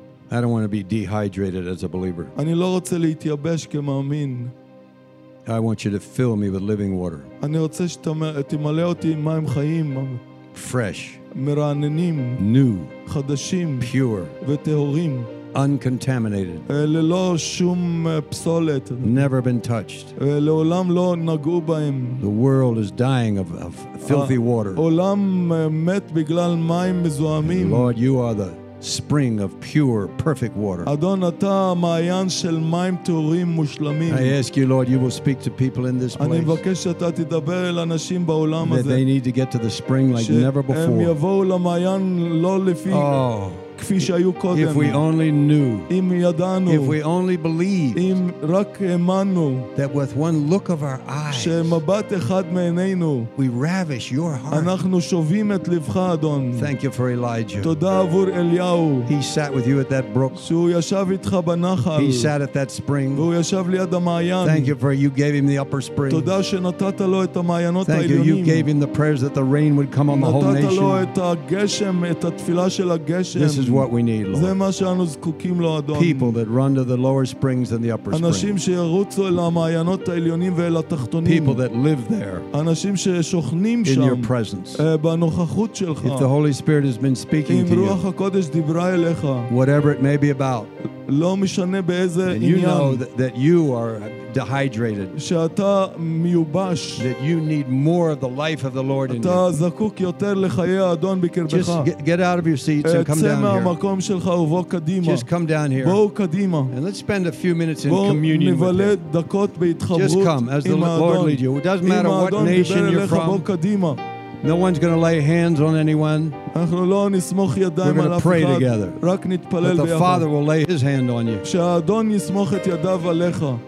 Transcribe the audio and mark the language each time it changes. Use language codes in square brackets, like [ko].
[en] I don't want to be dehydrated as a believer. [he] אני לא רוצה להתייבש כמאמין. [en] I want you to fill me with living water. [he] אני רוצה שתמלא אותי מים חיים. [en] Fresh. [he] מרעננים. [en] New. [he] חדשים. [en] Pure. [he] וטהורים. [en] Uncontaminated. [he] ללא שום פסולת. [en] Never been touched. [he] לעולם לא נגעו בהם. [en] The world is dying of filthy water. [he] עולם מת בגלל מים מזוהמים. [en] Lord, you are the spring of pure, perfect water. [he] אדון, אתה מעיין של מים טהורים מושלמים. [en] I ask you, Lord, you will speak to people in this place. [he] אני מבקש שאתה תדבר אל אנשים בעולם הזה. [en] That they need to get to the spring like never before. [he] שהם יבואו למעיין לא לפי כפי שהיו קודם. [en] If we only knew. [he] אם ידענו. [en] If we only believed. [he] אם רק האמנו. [en] That with one look of our eyes. [he] שמבט אחד מעינינו. [en] We ravish your heart. [he] אנחנו שובים את לבך, אדון. [en] Thank you for Elijah. [he] תודה עבור אליהו. [en] He sat with you at that brook. [he] שהוא ישב איתך בנחל. [en] He sat at that spring. [he] והוא ישב ליד המעיין. [en] Thank you for you gave him the upper spring. [he] תודה שנתת לו את המעיינות העליונים. [en] Thank you gave him the prayers that the rain would come on the whole nation. [he] נתת לו את הגשם, את התפילה של הגשם. [en] This is what we need, Lord. [he] זה מה שאנו זקוקים לו, אדון. [en] People that run to the lower springs and the upper springs. [he] אנשים שירוצו אל המעיינות העליונים ואל התחתונים. [en] People that live there. [he] אנשים ששוכנים שם. [en] In your presence. [he] בנוכחות שלך. [en] If the Holy Spirit has been speaking to you. [he] אם רוח הקודש דיברה אליך. [en] Whatever it may be about. [he] לא משנה באיזה עניין. [en] You know that you are dehydrated. [he] שאתה מיובש. [en] That you need more of the life of the Lord in you. [he] אתה זקוק יותר לחיי האדון בקרבך. [en] Just get out of your seats and come down here. [he] צא מהמקום שלך ובוא קדימה. [en] Just come down here. [he] בוא קדימה. [en] And let's spend a few minutes in communion. [he] בוא נבלה דקות בהתחברות. [en] Just come as the Lord lead you. It doesn't matter what nation you're from. [he] בוא קדימה. [en] No one's going to lay hands on anyone. [he] אנחנו לא נסמוך ידיים על אף אחד. [en] We're going to pray together. [he] רק נתפלל ביחד. [en] But the Father will lay his hand on you. [he] שהאדון יסמוך את ידיו עליך.